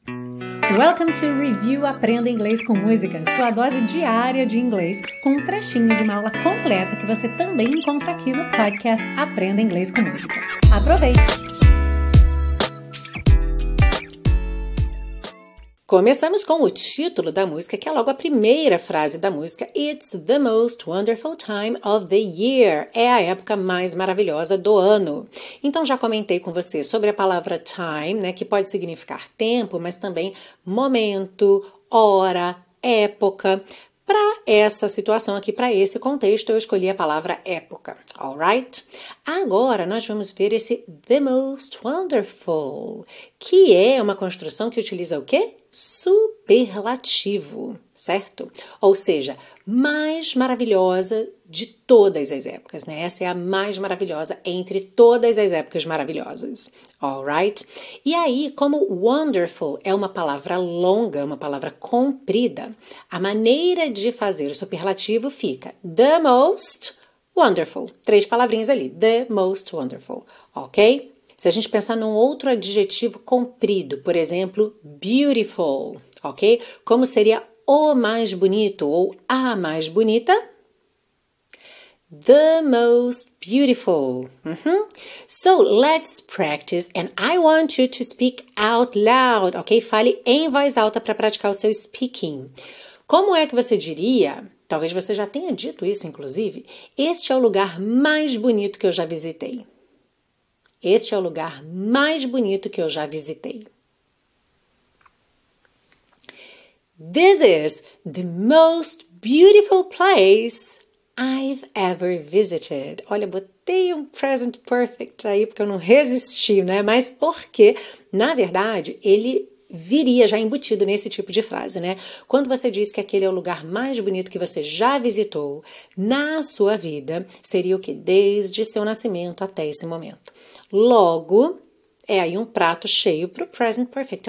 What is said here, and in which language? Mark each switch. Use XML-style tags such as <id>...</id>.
<en>Welcome to</en> <pt>Review Aprenda Inglês com Música, sua dose diária de inglês, com um trechinho de uma aula completa que você também encontra aqui no podcast Aprenda Inglês com Música. Aproveite! Começamos com o título da música, que é logo a primeira frase da música.</pt> <en>It's the most wonderful time of the year.</en> <pt>É a época mais maravilhosa do ano. Então, já comentei com você sobre a palavra time, né, que pode significar tempo, mas também momento, hora, época. Para essa situação aqui, para esse contexto, eu escolhi a palavra época. Alright? Agora, nós vamos ver esse</pt> <en>the most wonderful,</en> <pt>que é uma construção que utiliza o quê? Superlativo, certo? Ou seja, mais maravilhosa de todas as épocas, né? Essa é a mais maravilhosa entre todas as épocas maravilhosas, alright? E aí, como wonderful é uma palavra longa, uma palavra comprida, a maneira de fazer o superlativo fica</pt> <en>the most wonderful.</en> <pt>Três palavrinhas ali,</pt> <en>the most wonderful,</en> <pt>ok? Se a gente pensar num outro adjetivo comprido, por exemplo, beautiful, ok? Como seria o mais bonito ou a mais bonita?</pt> <en>The most beautiful. Uhum. So, let's practice and I want you to speak out loud, ok?</en> <pt>Fale em voz alta para praticar o seu speaking. Como é que você diria, talvez você já tenha dito isso, inclusive, este é o lugar mais bonito que eu já visitei. Este é o lugar mais bonito que eu já visitei.</pt> <en>This is the most beautiful place I've ever visited.</en> <pt>Olha, botei um present perfect aí porque eu não resisti, né? Mas porque, na verdade, ele viria já embutido nesse tipo de frase, né? Quando você diz que aquele é o lugar mais bonito que você já visitou na sua vida, seria o quê? Desde seu nascimento até esse momento. Logo, é aí um prato cheio para o present perfect.</pt>